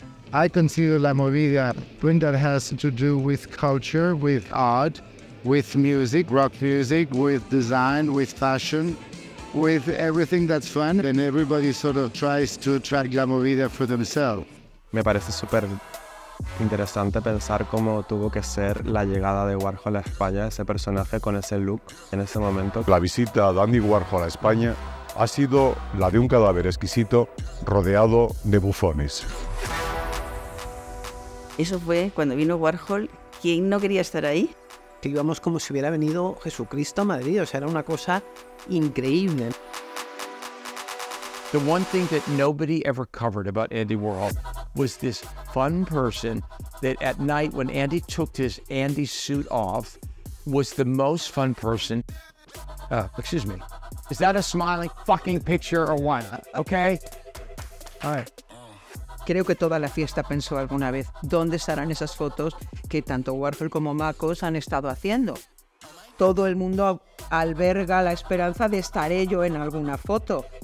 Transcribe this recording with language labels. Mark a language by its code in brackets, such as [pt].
[en] I consider la movida when that has to do with culture, with art, with music, rock music, with design, with fashion, with everything that's fun, and everybody sort of tries to attract la movida for themselves. [es] Me parece súper Interesante pensar cómo tuvo que ser la llegada de Warhol a España, ese personaje con ese look en ese momento. La visita de Andy Warhol a España ha sido la de un cadáver exquisito rodeado de bufones. Eso fue cuando vino Warhol. ¿Quién no quería estar ahí? Que íbamos como si hubiera venido Jesucristo a Madrid. O sea, era una cosa increíble. [en] The one thing that nobody ever covered about Andy Warhol was this fun person that at night when Andy took his Andy suit off was the most fun person. Excuse me. Is that a smiling fucking picture or what? Okay. All right. [es] Creo que toda la fiesta pensó alguna vez, ¿dónde estarán esas fotos que tanto Warhol como Makos han estado haciendo? Todo el mundo alberga la esperanza de estar yo en alguna foto.